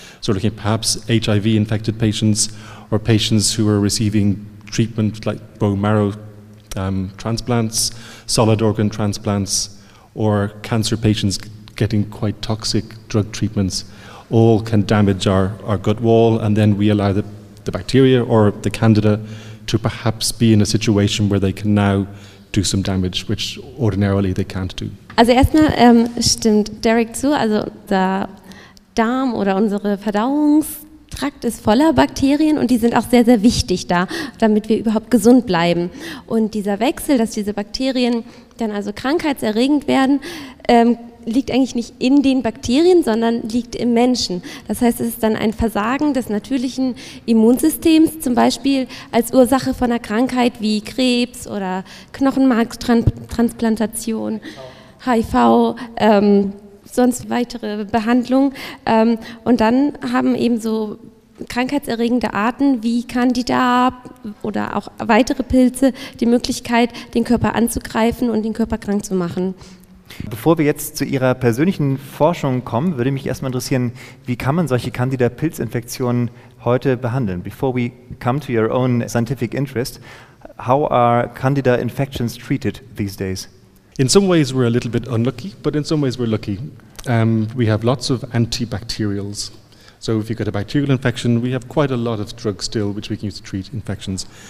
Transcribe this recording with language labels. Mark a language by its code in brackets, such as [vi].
[en] So looking at perhaps HIV-infected patients or patients who are receiving treatment like bone marrow transplants, solid organ transplants, or cancer patients getting quite toxic drug treatments, all can damage our gut wall, and then we allow the bacteria or the candida to perhaps be in a situation where they can now do some damage, which ordinarily they can't do. [de] Also erstmal stimmt Derek zu, also der Darm oder unsere Verdauungstrakt ist voller Bakterien und die sind auch sehr, sehr wichtig da, damit wir überhaupt gesund bleiben. Und dieser Wechsel, dass diese Bakterien dann also krankheitserregend werden, liegt eigentlich nicht in den Bakterien, sondern liegt im Menschen. Das heißt, es ist dann ein Versagen des natürlichen Immunsystems, zum Beispiel als Ursache von einer Krankheit wie Krebs oder Knochenmarkstransplantation, HIV, sonst weitere Behandlungen. Und dann haben eben so krankheitserregende Arten wie Candida oder auch weitere Pilze die Möglichkeit, den Körper anzugreifen und den Körper krank zu machen. Bevor wir jetzt zu Ihrer persönlichen Forschung kommen, würde mich erstmal interessieren, wie kann man solche Candida-Pilzinfektionen heute behandeln? [en] Before we come to your own scientific interest, how are Candida infections treated these days? In some ways we're a little bit unlucky, but in some ways we're lucky. We have lots of antibacterials. So if you've got a bacterial infection, we have quite a lot of drugs still which we can use to treat infections.